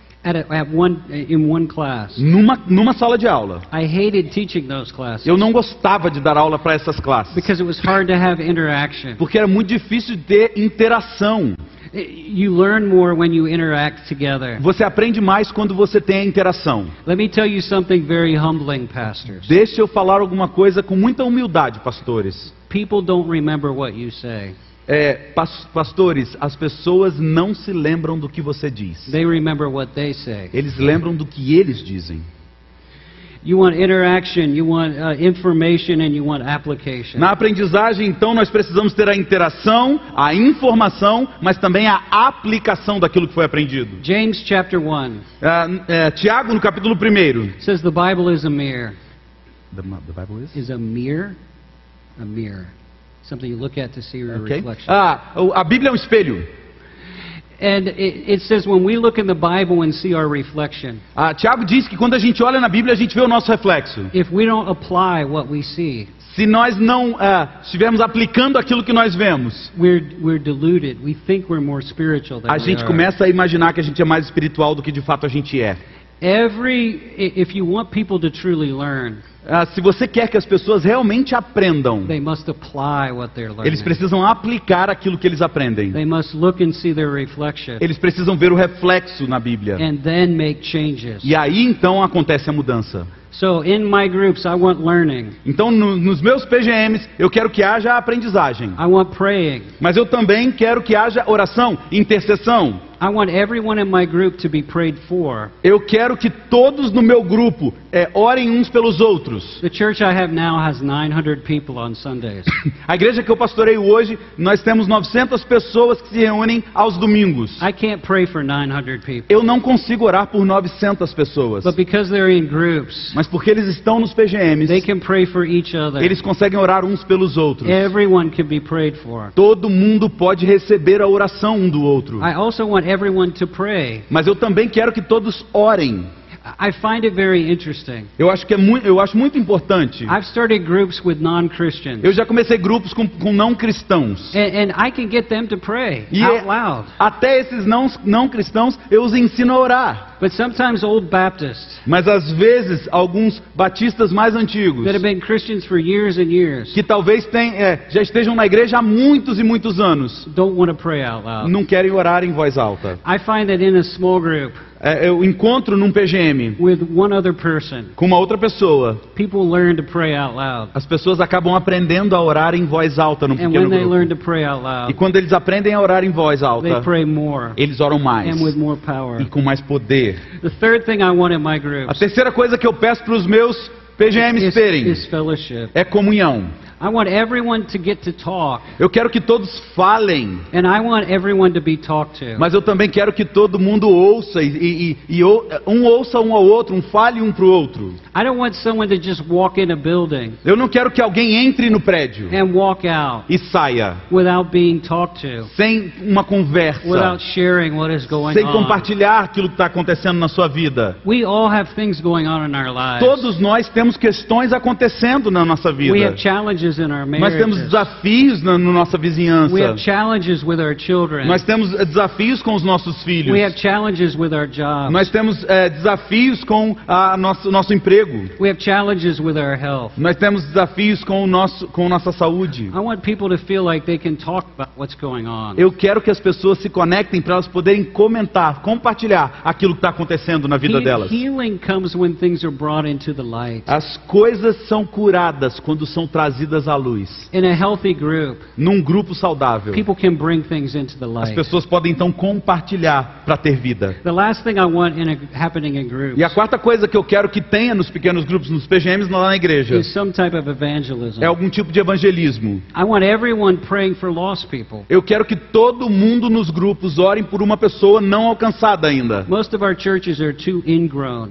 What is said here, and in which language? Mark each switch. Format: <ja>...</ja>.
<en>In one class.</en> <pt>Numa sala de aula.</pt> <en>I hated teaching those classes.</en> <pt>Eu não gostava de dar aula para essas classes.</pt> <en>Because it was hard to have interaction.</en> <pt>Porque era muito difícil ter interação.</pt> <en>You learn more when you interact together.</en> <pt>Você aprende mais quando você tem a interação.</pt> <en>Let me tell you something very humbling, pastors.</en> <pt>Deixa eu falar alguma coisa com muita humildade, pastores.</pt> <en>People don't remember what you say.</en> <pt>Pastores, as pessoas não se lembram do que você diz.</pt> <en>They remember what they say.</en> <pt>Eles lembram do que eles dizem.</pt> <en>You want interaction, you want information and you want application.</en> <pt>Na aprendizagem, então, nós precisamos ter a interação, a informação, mas também a aplicação daquilo que foi aprendido.</pt> <en>James chapter 1.</en> <pt>Tiago no capítulo 1.</pt> <en>Says the Bible is a mirror. The Bible is? Is a mirror? A mirror. Something you look at to see your okay. Reflection.</en> <pt>A Bíblia é um espelho.</pt> <en>And it says when we look in the Bible and see our reflection.</en> <pt>Tiago diz que quando a gente olha na Bíblia a gente vê o nosso reflexo.</pt> <en>If we don't apply what we see.</en> <pt>Se nós não estivermos aplicando aquilo que nós vemos.</pt> <en>We're deluded. We think we're more spiritual than we are.</en> <pt>A gente começa a imaginar que a gente é mais espiritual do que de fato a gente é.</pt> <en>If you want people to truly learn.</en> <pt>Se você quer que as pessoas realmente aprendam,</pt> <en>they must apply what they're learning.</en> <pt>Eles precisam aplicar aquilo que eles aprendem.</pt> <en>They must look and see their reflection.</en> <pt>Eles precisam ver o reflexo na Bíblia.</pt> <en>And then make changes.</en> <pt>E aí então acontece a mudança.</pt> <en>So, in my groups, I want learning.</en> <pt>Então nos meus PGMs eu quero que haja aprendizagem.</pt> <en>I want praying.</en> <pt>Mas eu também quero que haja oração, intercessão.</pt> <en>I want everyone in my group to be prayed for.</en> <pt>Eu quero que todos no meu grupo orem uns pelos outros.</pt> <en>The church I have now has 900 people on Sundays.</en> <pt>A igreja que eu pastoreio hoje, nós temos 900 pessoas que se reúnem aos domingos.</pt> <en>I can't pray for 900 people.</en> <pt>Eu não consigo orar por 900 pessoas.</pt> <en>But because they're in groups,</en> <pt>mas porque eles estão nos PGMs,</pt> <en>they can pray for each other.</en> <pt>Eles conseguem orar uns pelos outros.</pt> <en>Everyone can be prayed for.</en> <pt>Todo mundo pode receber a oração um do outro.</pt> <en>I also want everyone to pray.</en> <pt>Mas eu também quero que todos orem.</pt> <en>I find it very interesting.</en> <pt>Eu acho muito importante.</pt> <en>I've started groups with non-Christians.</en> <pt>Eu já comecei grupos com não cristãos.</pt> <en>And I can get them to pray out loud.</en> <pt>Até esses não cristãos eu os ensino a orar.</pt> <en>But sometimes old Baptists.</en> <pt>Mas às vezes alguns batistas mais antigos.</pt> <en>That have been Christians for years and years.</en> <pt>Que talvez já estejam na igreja há muitos e muitos anos.</pt> <en>Don't want to pray out loud.</en> <pt>Não querem orar em voz alta.</pt> <en>I find that in a small group.</en> <pt>Eu encontro num PGM</pt> <en>with one other person,</en> <pt>com uma outra pessoa.</pt> <en>People learn to pray out loud.</en> <pt>As pessoas acabam aprendendo a orar em voz alta num pequeno</pt> <en>and when</en> <pt>grupo.</pt> <en>They learn to pray out loud,</en> <pt>e quando eles aprendem a orar em voz alta,</pt> <en>they pray more,</en> <pt>eles oram mais</pt> <en>and with more power.</en> <pt>E com mais poder.</pt> <en>The third thing I want in my groups,</en> <pt>a terceira coisa que eu peço para os meus PGMs terem</pt> <en>is fellowship.</en> <pt>É comunhão.</pt> <en>I want everyone to get to talk.</en> <pt>Eu quero que todos falem.</pt> <en>And I want everyone to be talked to.</en> <pt>Mas eu também quero que todo mundo ouça e um ouça um ao outro, um fale um pro outro.</pt> <en>I don't want someone to just walk in a building.</en> <pt>Eu não quero que alguém entre no prédio.</pt> <en>And walk out.</en> <pt>E saia.</pt> <en>Without being talked to.</en> <pt>Sem uma conversa.</pt> <en>Without sharing what is going on.</en> <pt>Sem compartilhar aquilo que tá acontecendo na sua vida.</pt> <en>We all have things going on in our lives.</en> <pt>Todos nós temos questões acontecendo na nossa vida.</pt> <en>We have challenges.</en> <pt>Nós temos desafios na nossa vizinhança.</pt> <en>We have challenges with our children.</en> <pt>Nós temos desafios com os nossos filhos.</pt> <en>We have challenges with our jobs.</en> <pt>Nós temos desafios com nosso emprego.</pt> <en>We have challenges with our health.</en> <pt>Nós temos desafios com nossa saúde.</pt> <en>I want people to feel like they can talk about what's going on.</en> <pt>Eu quero que as pessoas se conectem para elas poderem comentar, compartilhar aquilo que está acontecendo na vida delas.</pt> <en>Healing comes when things are brought into the light.</en> <pt>As coisas são curadas quando são trazidas à luz.</pt> <en>In a healthy group,</en> <pt>num grupo saudável,</pt> <en>people can bring things into the light.</en> <pt>As pessoas podem então compartilhar para ter vida.</pt> <en>The last thing I want happening in groups,</en> <pt>e a quarta coisa que eu quero que tenha nos pequenos grupos, nos PGMs lá na igreja,</pt> <en>is some type of evangelism.</en> <pt>É algum tipo de evangelismo.</pt> <en>I want everyone praying for lost people.</en> <pt>Eu quero que todo mundo nos grupos orem por uma pessoa não alcançada ainda.</pt> <en>Most of our churches are too ingrown.</en>